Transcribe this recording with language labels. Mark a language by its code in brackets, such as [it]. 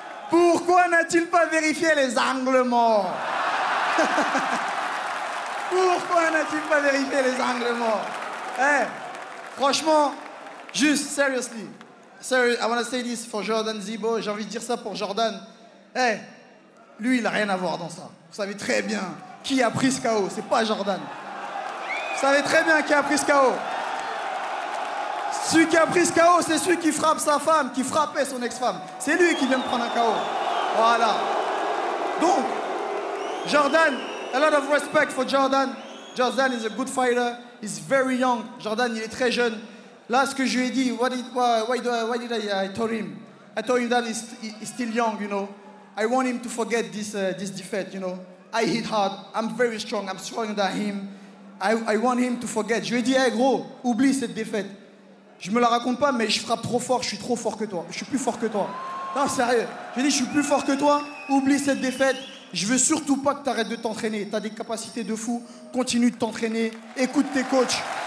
[fr] Pourquoi n'a-t-il pas vérifié les angles morts? Pourquoi n'a-t-il pas vérifié les angles morts? Hey, franchement, juste, [en] seriously. Sorry, I want to say this for Jordan Zebo. [fr] J'ai envie de dire ça pour Jordan. Hey, lui, il n'a rien à voir dans ça. Vous savez très bien qui a pris ce KO. C'est pas Jordan. Vous savez très bien qui a pris ce KO. Celui qui a pris ce KO, c'est celui qui frappe sa femme, qui frappait son ex-femme. C'est lui qui vient de prendre un KO. Voilà. Donc, [en] Jordan, a lot of respect for Jordan. Jordan is a good fighter. He's very young. Jordan, [fr] il est très jeune. Là, ce que je lui ai dit, [en] why did I tell him? I told him that he's still young, you know. I want him to forget this this defeat, you know. I hit hard, I'm very strong, I'm stronger than him. I want him to forget. [fr] Je lui ai dit, hey gros, oublie cette défaite. Je me la raconte pas, mais je frappe trop fort, je suis trop fort que toi. Je suis plus fort que toi. Non, sérieux. Je lui ai dit, je suis plus fort que toi, oublie cette défaite. Je veux surtout pas que t'arrêtes de t'entraîner. T'as des capacités de fou, continue de t'entraîner, écoute tes coachs.